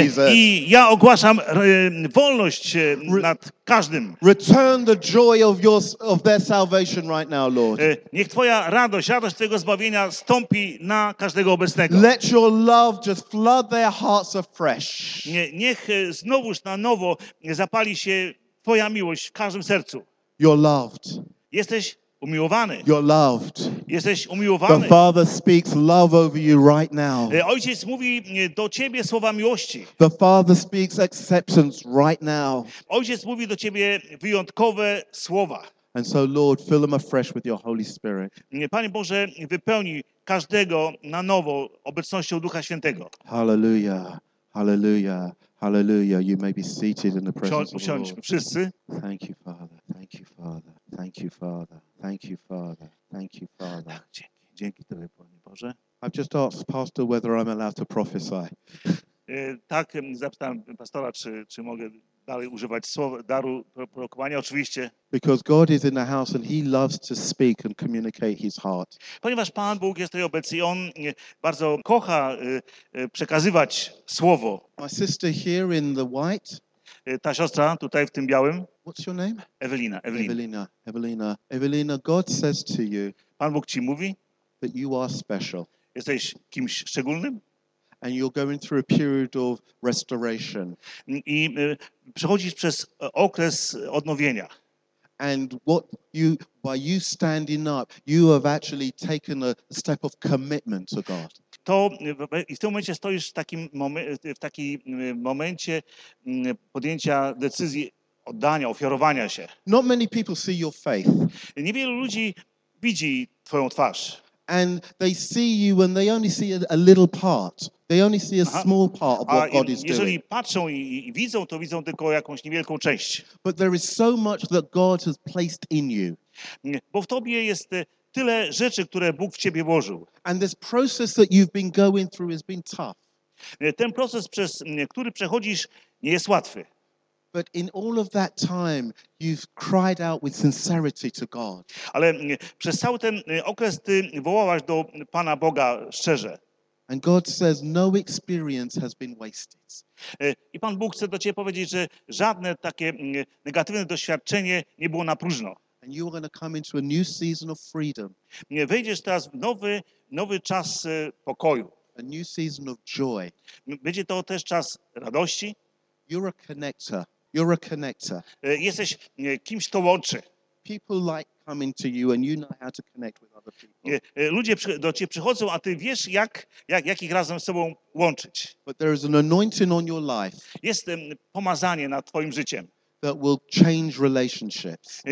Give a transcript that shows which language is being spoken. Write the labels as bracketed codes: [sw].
[pl] I ja ogłaszam wolność nad każdym. [en] Return the joy of your of their salvation right now, Lord. [pl] Niech Twoja radość, radość Twojego zbawienia stąpi na każdego obecnego. [en] Let your love just flood their hearts afresh. [pl] Niech znowuż na nowo zapali się Twoja miłość w każdym sercu. [en] You're loved. [pl] Jesteś umiłowany. [en] You're loved. [pl] Jesteś umiłowany. [en] The Father speaks love over you right now. [pl] Ojciec mówi do ciebie słowa miłości. [en] The Father speaks acceptance right now. [pl] Ojciec mówi do ciebie wyjątkowe słowa. [en] And so Lord, fill them afresh with your Holy Spirit. [pl] Panie Boże, wypełnij każdego na nowo obecnością Ducha Świętego. [en] Hallelujah. Hallelujah. Hallelujah. You may be seated in the presence of the Lord. [pl] Usiądźmy wszyscy. [en] Thank you, Father. Thank you, Father. Thank you, Father. Thank you, Father. Thank you, Father. [pl] Tak, dzięki. Dzięki Tobie, Panie Boże. [en] I've just asked Pastor whether I'm allowed to prophesy. [pl] Tak, zapytałem pastora, czy mogę dalej używać słowa daru prorokowania, oczywiście. [en] Because God is in the house and He loves to speak and communicate His heart. [pl] Ponieważ Pan Bóg jest tutaj obecny, On bardzo kocha przekazywać słowo. [en] My sister here in the white. [pl] Ta siostra tutaj w tym białym. [en] What's your name? Ewelina. Ewelina. Ewelina. Ewelina. Ewelina. God says to you. [pl] Pan Bóg ci mówi. [en] That you are special. [pl] Jesteś kimś szczególnym. [en] And you're going through a period of restoration. [pl] I przechodzisz przez okres odnowienia. [en] And what you by you standing up, you have actually taken a step of commitment to God. [pl] To i w tym momencie stoisz w takim momencie podjęcia decyzji oddania, ofiarowania się. [en] Not many people see your faith. [pl] Niewielu ludzi widzi Twoją twarz. [en] And they see you and they only see a little part. They only see a small part of what God is doing. [pl] Jeżeli patrzą i widzą, to widzą tylko jakąś niewielką część. [en] But there is so much that God has placed in you. [pl] Bo w tobie jest tyle rzeczy, które Bóg w ciebie włożył. [en] And this process that you've been going through has been tough. [pl] Ten proces, przez który przechodzisz, nie jest łatwy. [en] But in all of that time, you've cried out with sincerity to God. [pl] Ale przez cały ten okres ty wołałaś do Pana Boga szczerze. [en] And God says, no experience has been wasted. [pl] I Pan Bóg chce do ciebie powiedzieć, że żadne takie negatywne doświadczenie nie było na próżno. [en] And you are going to come into a new season of freedom. [pl] Wejdziesz teraz w nowy czas pokoju. [en] A new season of joy. [pl] Będzie to też czas radości. [en] You're a connector. You're a connector. [pl] Jesteś kimś, kto łączy. [en] People like coming to you and you know how to connect with other people. [pl] Ludzie do ciebie przychodzą, a ty wiesz jak ich razem z sobą łączyć. [en] But there is an anointing on your life. [pl] Jest pomazanie nad twoim życiem. [en] That will change relationships.